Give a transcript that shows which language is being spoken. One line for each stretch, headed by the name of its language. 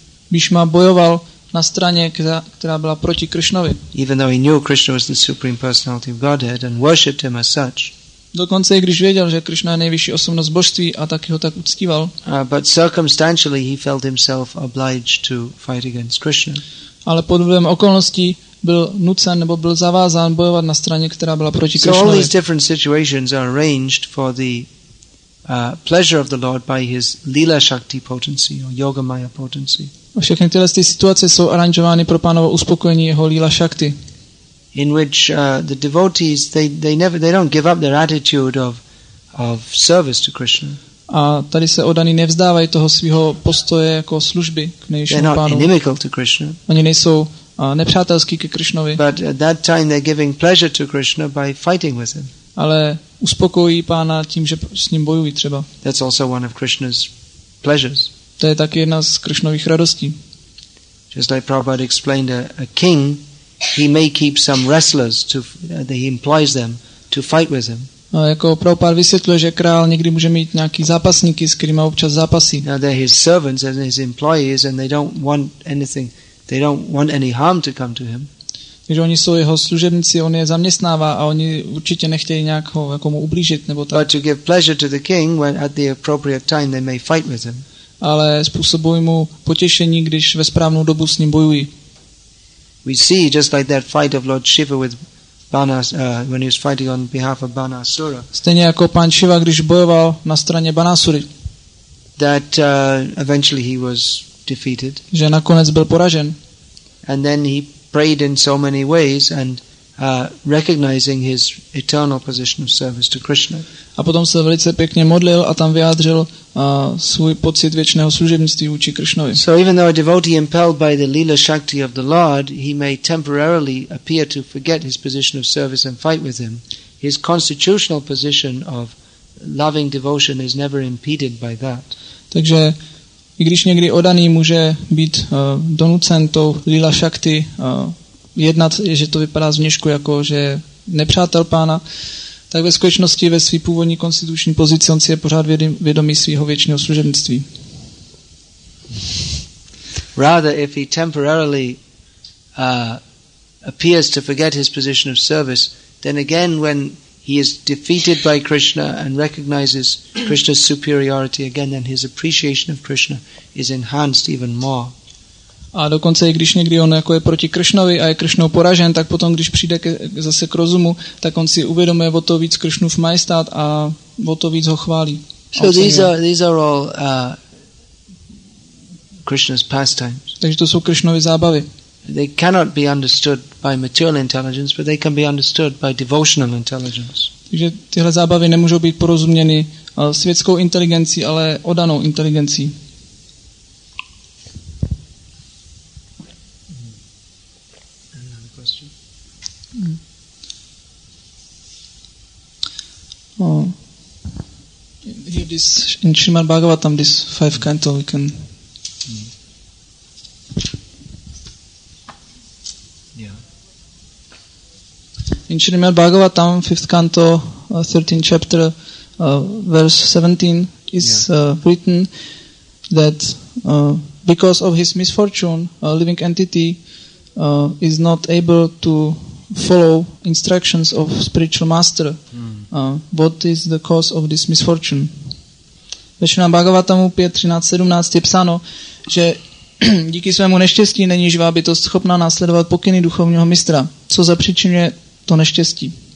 Czech: Bhishma bojoval na straně, která byla proti Krishnovi.
English: Even though he knew Krishna was the supreme personality of Godhead and worshipped him as such.
Czech: Dokonce i když věděl, že Krishna je nejvyšší osobnost božství a taky ho tak uctíval.
English: But circumstantially he felt himself obliged to fight against Krishna.
Czech: Ale pod vlivem okolností byl nucen nebo byl zavázán bojovat na straně, která byla proti Krishnovi.
English: So all these different situations are arranged for the pleasure of the Lord by his lila shakti potency or yoga maya potency.
Czech: Všechny tyhle situace jsou aranžovány pro pánovo uspokojení jeho lila shakti.
English: In which the devotees they don't give up their attitude of service to Krishna.
Czech: A tady se odaní nevzdávají toho svého postoje jako služby k nejvyššímu pánu.
English: Inimical to Krishna.
Czech: Oni nejsou nepřátelský ke Krishnovi.
English: But at that time they're giving pleasure to Krishna by fighting with him.
Czech: Ale uspokojí pána tím, že s ním bojují třeba.
English: That's also one of Krishna's pleasures.
Czech: To je taky jedna z Krishnových radostí.
English: Just like Prabhupada explained, a king, he may keep some wrestlers to he employs them to fight with him.
Czech: No, jako Prabhupada vysvětluje, že král někdy může mít nějaký zápasníky, s kterými občas zápasí.
English: Now they're his servants and his employees and they don't want anything. They don't want any harm to come to him.
Czech: Takže oni jsou jeho služebníci, on je zaměstnává a oni určitě nechtějí nějak ho jako mu ublížit nebo tak.
English: But to give pleasure to the king when at the appropriate time they may fight with him.
Czech: Ale způsobují mu potěšení, když ve správnou dobu s ním bojují.
English: We see just like that fight of Lord Shiva with Banas when he was fighting on behalf of Banasura.
Czech: Stejně jako pan Shiva, když bojoval na straně Banasury.
English: That eventually he was defeated.
Czech: Že nakonec byl poražen.
English: And then he prayed in so many ways and recognizing his eternal position of service to Krishna.
Czech: A potom se velice pěkně modlil a tam vyjádřil svůj pocit věčného služebnictví vůči Krishnovi.
English: So even though a devotee impelled by the lila shakti of the Lord, he may temporarily appear to forget his position of service and fight with him, his constitutional position of loving devotion is never impeded by that.
Czech: Takže i když někdy odaný může být donucen tou lila shakti jednat, že to vypadá zvnějšku jako, že nepřátel pána, tak ve skutečnosti ve své původní konstituční pozici on si je pořád vědomý svého věčného služebnictví.
English: Rather, if he temporarily appears to forget his position of service, then again when he is defeated by Krishna and recognizes Krishna's superiority again, then his appreciation of Krishna is enhanced even more.
Czech: A dokonce i když někdy on jako je proti Krishnovi a je Krishnou poražen, tak potom, když přijde zase k rozumu, tak on si uvědomuje o to víc Krishnův majestát a o to víc ho chválí.
English: So these are all Krishna's pastimes.
Czech: Takže to jsou Krishnovy zábavy.
English: They cannot be understood by material intelligence, but they can be understood by devotional intelligence.
Czech: Takže tyhle zábavy nemůžou být porozuměny světskou inteligencí, ale odanou inteligencí.
English: Here this in Srimad Bhagavatam, this fifth canto, we can. Yeah. In Srimad Bhagavatam, fifth canto, 13th chapter, verse 17 is written that because of his misfortune, a living entity is not able to follow instructions of spiritual master. What is the cause of this misfortune?
Czech: Ve Šrimad Bhagavatamu 5.13.17 je psáno, že díky svému neštěstí není živá bytost schopná následovat pokyny duchovního mistra. Co zapříčinuje to neštěstí?